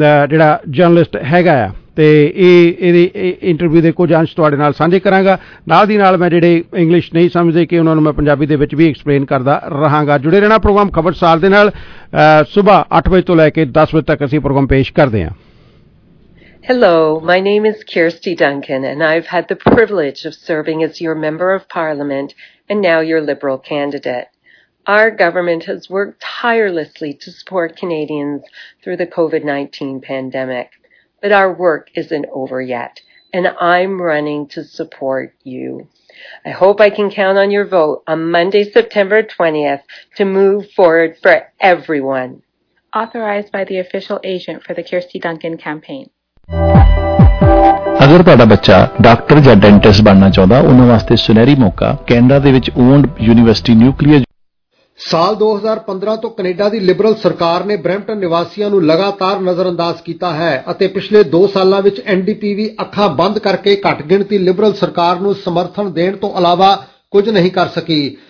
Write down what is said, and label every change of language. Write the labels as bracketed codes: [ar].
[pa] ਜਿਹੜਾ ਜਰਨਲਿਸਟ ਹੈਗਾ ਆ ਤੇ ਇਹ ਇਹਦੀ ਇੰਟਰਵਿਊ ਦੇ ਕੁਝ ਅੰਸ਼ ਤੁਹਾਡੇ ਨਾਲ ਸਾਂਝੇ ਕਰਾਂਗਾ ਨਾਲ ਦੀ ਨਾਲ ਮੈਂ ਜਿਹੜੇ ਇੰਗਲਿਸ਼ ਨਹੀਂ ਸਮਝਦੇ ਕਿ ਉਹਨਾਂ ਨੂੰ ਮੈਂ ਪੰਜਾਬੀ ਦੇ ਵਿੱਚ ਵੀ ਐਕਸਪਲੇਨ ਕਰਦਾ ਰਹਾਂਗਾ ਜੁੜੇ ਰਹਿਣਾ ਪ੍ਰੋਗਰਾਮ ਖਬਰਸਾਰ ਦੇ ਨਾਲ ਸਵੇਰ 8 ਵਜੇ ਤੋਂ ਲੈ ਕੇ 10 ਵਜੇ ਤੱਕ ਅਸੀਂ ਪ੍ਰੋਗਰਾਮ ਪੇਸ਼ ਕਰਦੇ ਹਾਂ [en] Hello, my name is Kirsty Duncan and I've had the privilege of serving as your member of parliament and now your liberal candidate. Our government has worked tirelessly to support Canadians through the COVID-19 pandemic, but our work isn't over yet and I'm running to support you. I hope I can count on your vote on Monday, September 20th to move forward for everyone. Authorized by the official agent for the Kirsty Duncan campaign. [pa] ਅਗਰ ਤੁਹਾਡਾ ਬੱਚਾ doctor ਜਾਂ dentist ਬਣਨਾ ਚਾਹੁੰਦਾ ਉਹਨਾਂ ਵਾਸਤੇ ਸੁਨਹਿਰੀ ਮੌਕਾ ਕੈਨੇਡਾ ਦੇ ਵਿੱਚ ਓਨਡ ਯੂਨੀਵਰਸਿਟੀ ਨਿਊਕਲੀਅਰ ਸਾਲ 2015 ਤੋਂ ਕੈਨੇਡਾ ਦੀ ਲਿਬਰਲ ਸਰਕਾਰ ਨੇ ਬ੍ਰੈਂਪਟਨ ਨਿਵਾਸੀਆਂ ਨੂੰ ਲਗਾਤਾਰ ਨਜ਼ਰਅੰਦਾਜ਼ ਕੀਤਾ ਹੈ ਅਤੇ ਪਿਛਲੇ 2 ਸਾਲਾਂ ਵਿੱਚ NDP ਅੱਖਾਂ ਬੰਦ ਕਰਕੇ ਘੱਟ ਗਿਣਤੀ ਲਿਬਰਲ ਸਰਕਾਰ ਨੂੰ ਸਮਰਥਨ ਦੇਣ ਤੋਂ ਇਲਾਵਾ ਕੁਝ ਨਹੀਂ ਕਰ ਸਕੀ